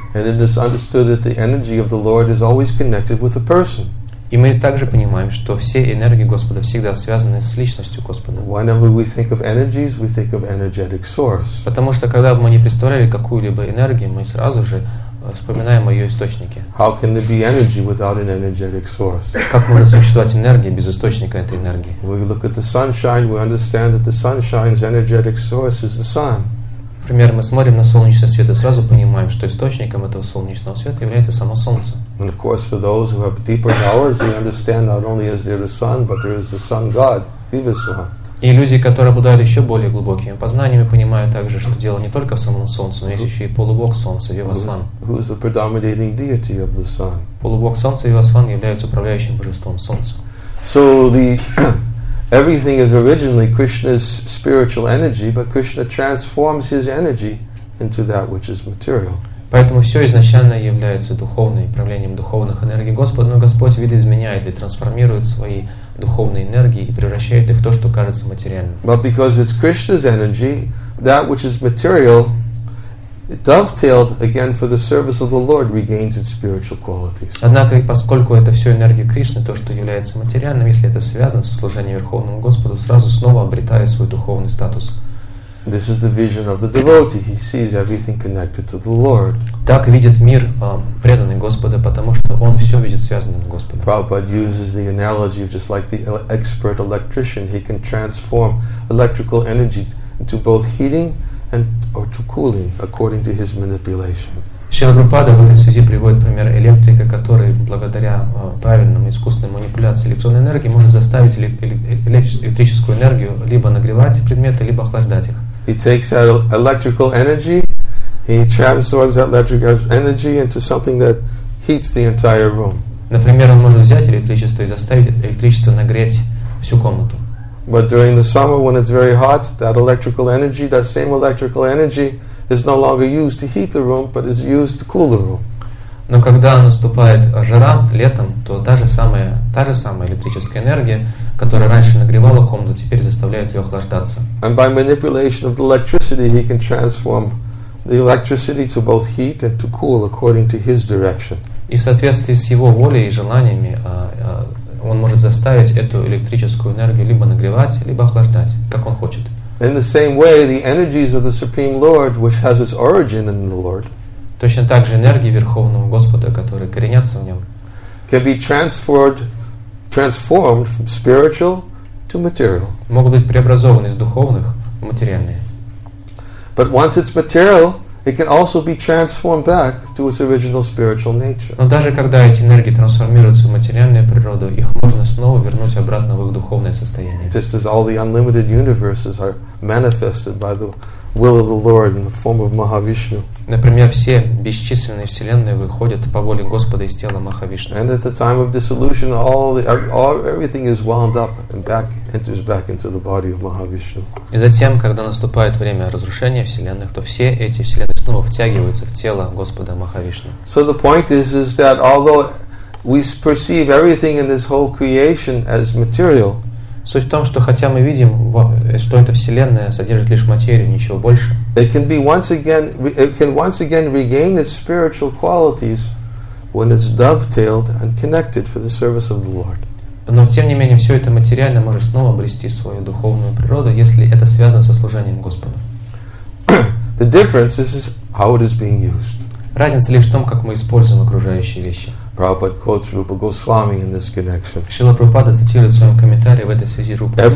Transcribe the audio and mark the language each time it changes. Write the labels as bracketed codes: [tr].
[en] And it is understood that the energy of the Lord is always connected with the person. [ru] И мы также понимаем, что все энергии Господа всегда связаны с личностью Господа. [en] Whenever we think of energies, we think of energetic source. [ru] Потому что когда бы мы не представляли какую-либо энергию, мы сразу же вспоминаем о ее источнике. [en] How can there be energy without an energetic source? [ru] Как может существовать энергия без источника этой энергии? [en] We look at the sunshine, we understand that the sunshine's energetic source is the sun. [ru] Например, мы смотрим на солнечный свет и сразу понимаем, что источником этого солнечного света является само солнце. [en] And of course, for those who have deeper knowledge, they understand not only is there the sun, but there is the sun god, Vivaswan. [ru] И люди, которые обладают еще более глубокими познаниями, понимают также, что дело не только в самом солнце, но есть еще и полубог солнца, Вивасван. [en] Who is the predominating deity of the sun? [ru] Полубог солнца, Вивасван, является управляющим божеством солнца. [en] So the everything is originally Krishna's spiritual energy, but Krishna transforms his energy into that which is material. [ru] Поэтому все изначально является духовным проявлением духовных энергий Господа, но Господь видоизменяет и трансформирует свои духовные энергии и превращает их в то, что кажется материальным. [en] But because it's Krishna's energy, that which is material, dovetailed again for the service of the Lord, regains its spiritual qualities. [ru] Однако, поскольку это все энергия Кришны, то, что является материальным, если это связано со служением Верховному Господу, сразу снова обретает свой духовный статус. [en] This is the vision of the devotee. He sees everything connected to the Lord. [ru] Так видит мир преданный Господа, потому что он все видит связанным с Господом. [en] Prabhupada uses the analogy of just like the expert electrician, he can transform electrical energy into both heating and or to cooling according to his manipulation. [ru] Шрила Прабхупада в этой связи приводит пример электрика, который благодаря правильному искусственной манипуляции электронной энергии может заставить электрическую энергию либо нагревать предметы, либо охлаждать их. [en] He takes that electrical energy, he transforms that electrical energy into something that heats the entire room. [ru] Например, он может взять электричество и заставить электричество нагреть всю комнату. [en] But during the summer, when it's very hot, that electrical energy, that same electrical energy, is no longer used to heat the room, but is used to cool the room. [ru] Но когда наступает жара летом, то та же самая электрическая энергия, которая раньше нагревала комнату, теперь заставляет ее охлаждаться. [en] And by manipulation of the electricity, he can transform the electricity to both heat and to cool according to his direction. [ru] И в соответствии с его волей и желаниями, он может заставить эту электрическую энергию либо нагревать, либо охлаждать, как он хочет. [en] In the same way, the energies of the Supreme Lord, which has its origin in the Lord, [ru] точно так же энергии Верховного Господа, которые коренятся в нем, [en] can be transformed from spiritual to material. [ru] Могут быть преобразованы из духовных в материальные. [en] But once it's material, it can also be transformed back to its original spiritual nature. [ru] Но даже когда эти энергии трансформируются в материальную природу, их можно снова вернуть обратно в их духовное состояние. [en] Just as all the unlimited universes are manifested by the will of the Lord in the form of Mahavishnu. [ru] Например, все бесчисленные вселенные выходят по воле Господа из тела Махавишну. [en] And at the time of dissolution, everything is wound up and back enters back into the body of Mahavishnu. [ru] И затем, когда наступает время разрушения вселенных, то все эти вселенные снова втягиваются в тело Господа Махавишну. [en] So the point is that although we perceive everything in this whole creation as material. [ru] Суть в том, что хотя мы видим, что эта вселенная содержит лишь материю, ничего больше. [en] It can once again regain its spiritual qualities when it's dovetailed and connected for the service of the Lord. [ru] Но тем не менее все это материально может снова обрести свою духовную природу, если это связано со служением Господу. [en] The difference is how it is being used. [ru] Разница лишь в том, как мы используем окружающие вещи. [en] Prabhupada quotes Rupa Goswami in this connection. [ru] Шрила Прабхупада цитирует в своем комментарии в этой связи Рупа Госвами.